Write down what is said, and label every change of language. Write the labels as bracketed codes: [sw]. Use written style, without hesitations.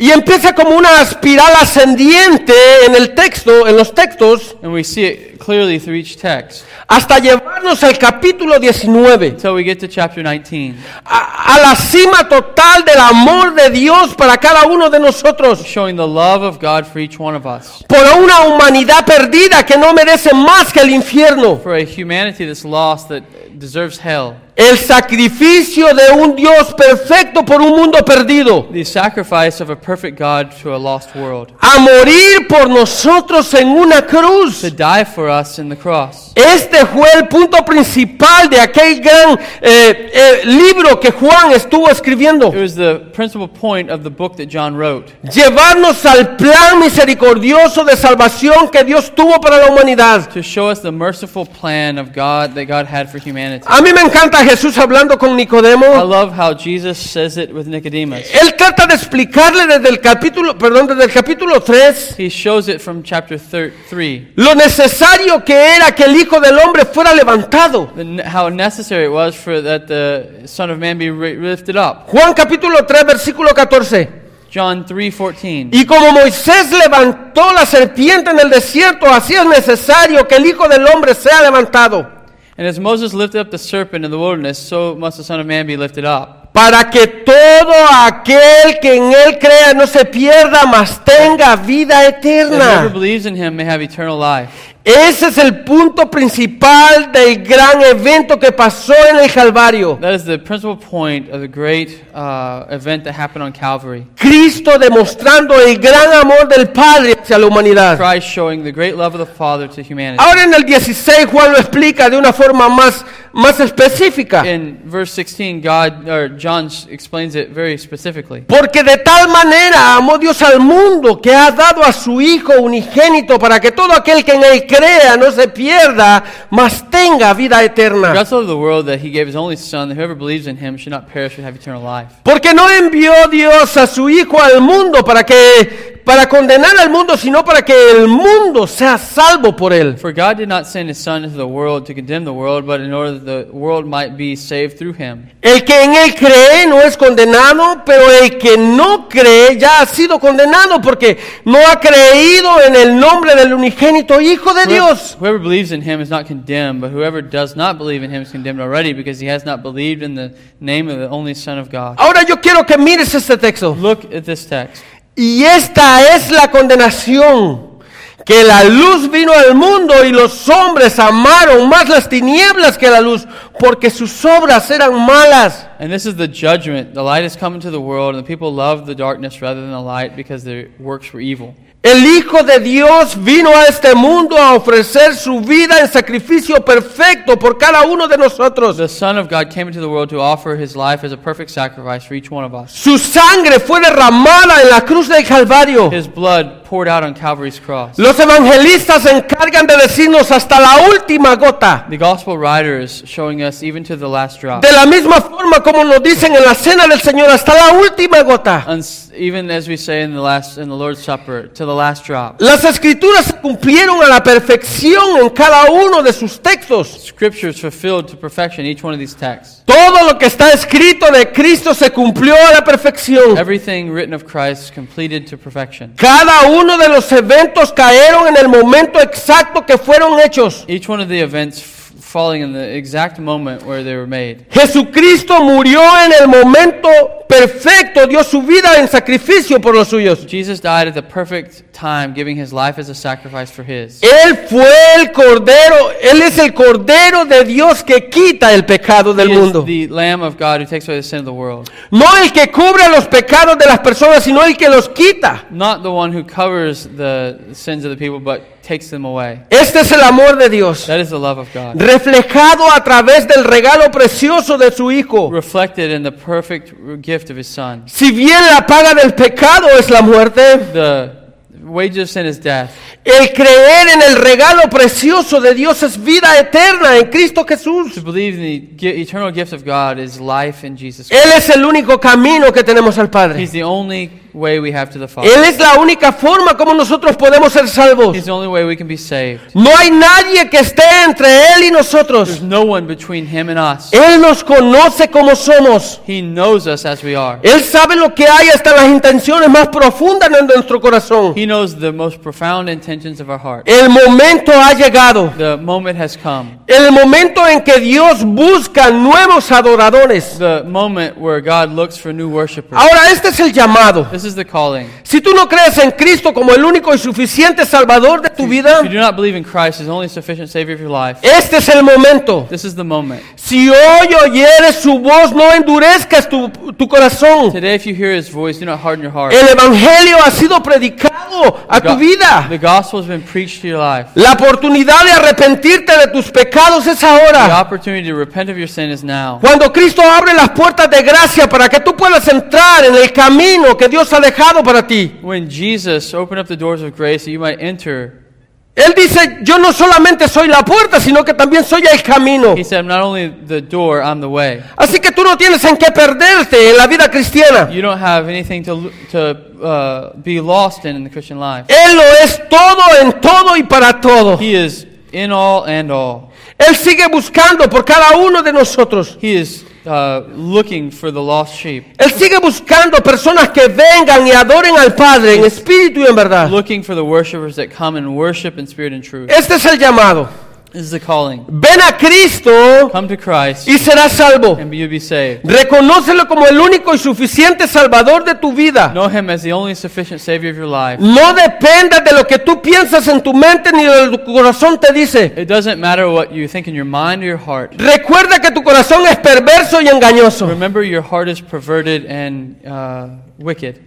[es] Y empieza como una espiral ascendiente en el texto, en los textos. [en] And we see it clearly through each text. [es] Hasta llevarnos al capítulo 19. [en] Until we get to chapter 19. [es] A la cima total del amor de Dios para cada uno de nosotros. [en] Showing the love of God for each one of us. [es] Por una humanidad perdida que no merece más que el infierno. [en] For a humanity that's lost that deserves hell. [es] El sacrificio de un Dios perfecto por un mundo perdido. [en] The sacrifice of a perfect God to a lost world. [es] A morir por nosotros en una cruz. [en] To die for us in the cross. [es] Este fue el punto principal de aquel gran libro que Juan estuvo escribiendo. [en] It was the principal point of the book that John wrote. [es] Llevarnos al plan misericordioso de salvación que Dios tuvo para la humanidad. [en] To show us the merciful plan of God that God had for humanity. [es] A mí me encanta Jesús hablando con Nicodemo. [en] I love how Jesus says it with Nicodemus. [es] Él trata de explicarle desde el capítulo, perdón, desde el capítulo 3. [en] He shows it from chapter 3. [es] Lo necesario que era que el Hijo del Hombre fuera levantado. [en] How necessary it was for that the Son of Man be lifted up. [es] Juan capítulo 3 versículo 14. [en] John 3:14. [es] Y como Moisés levantó la serpiente en el desierto, así es necesario que el Hijo del Hombre sea levantado. [en] And as Moses lifted up the serpent in the wilderness, so must the Son of Man be lifted up. [es] para que todo aquel que en él crea no se pierda, mas tenga vida eterna. [en] Whoever believes in him may have eternal life. [es] Ese es el punto principal del gran evento que pasó en el Calvario. [en] That is the principal point of the great event that happened on Calvary. [es] Cristo demostrando el gran amor del Padre hacia la humanidad. [en] Christ showing the great love of the Father to humanity. [es] Ahora en el 16 Juan lo explica de una forma más específica. [en] In verse 16, John explains it very specifically. [es] Porque de tal manera amó Dios al mundo que ha dado a su Hijo unigénito para que todo aquel que en él crea no se pierda, mas tenga vida eterna. [en] God so loved the world that he gave his only son, that whoever believes in him should not perish, but have eternal life. [es] Porque no envió Dios a su Hijo al mundo para condenar al mundo, sino para que el mundo sea salvo por él. [en] For God did not send his son into the world to condemn the world, but in order that the world might be saved through him. [es] El que en él cree no es condenado, pero el que no cree ya ha sido condenado porque no ha creído en el nombre del unigénito Hijo de Dios. [en] Whoever believes in him is not condemned, but whoever does not believe in him is condemned already because he has not believed in the name of the only Son of God. [es] Ahora yo quiero que mires este texto. [en] Look at this text. [es] Y esta es la condenación, que la luz vino al mundo y los hombres amaron más las tinieblas que la luz, porque sus obras eran malas. [en] And this is the judgment. The light has come into the world, and the people loved the darkness rather than the light because their works were evil. [es] El Hijo de Dios vino a este mundo a ofrecer su vida en sacrificio perfecto por cada uno de nosotros. [en] The Son of God came into the world to offer his life as a perfect sacrifice for each one of us. [es] Su sangre fue derramada en la cruz del Calvario. [en] His blood poured out on Calvary's cross. [es] Los evangelistas se encargan de decirnos hasta la última gota. [en] The gospel writers showing us even to the last drop. [es] De la misma forma como nos dicen en la cena del Señor, hasta la última gota. [en] And even as we say in the Lord's Supper, to the last drop. [es] Las escrituras se cumplieron a la perfección en cada uno de sus textos. [en] Scriptures fulfilled to perfection each one of these texts. [es] Todo lo que está escrito de Cristo se cumplió a la perfección. [en] Everything written of Christ completed to perfection. [es] Cada uno de los eventos cayeron en el momento exacto que fueron hechos. [en] Each one of the events falling in the exact moment where they were made. [es] Jesucristo murió en el momento perfecto, dio su vida en sacrificio por los suyos. [en] Jesus died at the perfect time, giving his life as a sacrifice for his. [es] Él fue el cordero, él es el cordero de Dios que quita el pecado del mundo. [en] He is the Lamb of God who takes away the sin of the world. [es] No el que cubre los pecados de las personas, sino el que los quita. [en] Not the one who covers the sins of the people, but takes them away. [es] Este es el amor de Dios. [en] That is the love of God. [es] Reflejado a través del regalo precioso de su Hijo. [en] Reflected in the perfect gift of his Son. [es] Si bien la paga del pecado es la muerte, [en] the wages of sin is death. [es] El creer en el regalo precioso de Dios es vida eterna en Cristo Jesús. [en] To believe in the eternal gift of God is life in Jesus [es] Christ. Él es el único camino que tenemos al Padre. [en] He's the only way we have to the Father. [es] Él es la única forma como nosotros podemos ser salvos. [en] He's the only way we can be saved. [es] No hay nadie que esté entre Él y nosotros. [en] There's no one between Him and us. [es] Él nos conoce como somos. [en] He knows us as we are. [es] Él sabe lo que hay hasta las intenciones más profundas en nuestro corazón. [en] He knows the most profound intentions of our heart. [es] El momento ha llegado. [en] The moment has come. [es] El momento en que Dios busca nuevos adoradores. [en] The moment where God looks for new worshipers. [es] Ahora este es el llamado. [en] This is the calling. [es] Si tú no crees en Cristo como el único y suficiente Salvador de tu vida, [en] if you do not believe in Christ as the only sufficient Savior of your life, [es] este es el momento. [en] This is the moment. [es] Si hoy oyeres su voz, no endurezcas tu corazón. [en] Today, if you hear His voice, do not harden your heart. [es] El Evangelio ha sido predicado a tu vida. [en] The gospel has been preached to your life. [es] La oportunidad de arrepentirte de tus pecados es ahora. [en] The opportunity to repent of your sin is now. [es] Cuando Cristo abre las puertas de gracia para que tú puedas entrar en el camino que Dios ha dejado para ti. [en] When Jesus opened up the doors of grace, so you might enter. [es] Él dice, yo no solamente soy la puerta, sino que también soy el camino. [en] He said, I'm not only the door, I'm the way. [es] Así que tú no tienes en qué perderte en la vida cristiana. [en] You don't have anything to be lost in the Christian life. [es] Él lo es todo en todo y para todo. [en] He is in all and all. [es] Él sigue buscando por cada uno de nosotros. [en] He is looking for the lost sheep. [es] Él sigue buscando personas que vengan y adoren al Padre en espíritu y en verdad. [en] Looking for the worshipers that come and worship in spirit and truth. [es] Este es el llamado. [en] This is the calling. [es] Ven a Cristo. [en] Come to Christ. [es] Y serás salvo. [en] And you'll be saved. [es] Reconócelo como el único y suficiente salvador de tu vida. [en] Know him as the only sufficient savior of your life. [es] No dependa de lo que tú piensas en tu mente ni de lo que tu corazón te dice. [en] It doesn't matter what you think in your mind or your heart. [es] Recuerda que tu corazón es perverso y engañoso. [en] Remember your heart is perverted and wicked.